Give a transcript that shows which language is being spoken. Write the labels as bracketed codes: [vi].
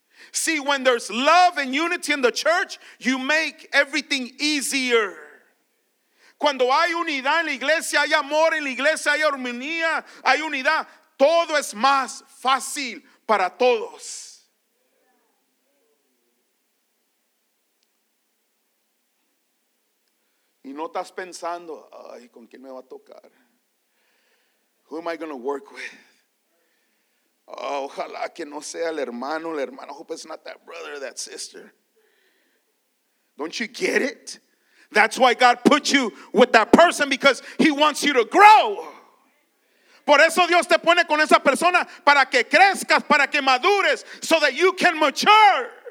[en] See, when there's love and unity in the church, you make everything easier. [es] Cuando hay unidad en la iglesia, hay amor en la iglesia, hay armonía, hay unidad, todo es más fácil para todos. Y no estás pensando, ay, ¿con quién me va a tocar? [en] Who am I going to work with? [es] Oh, ojalá que no sea el hermano, la hermana. [en] I hope it's not that brother, that sister. Don't you get it? That's why God put you with that person, because he wants you to grow. [es] Por eso Dios te pone con esa persona, para que crezcas, para que madures, [en] so that you can mature.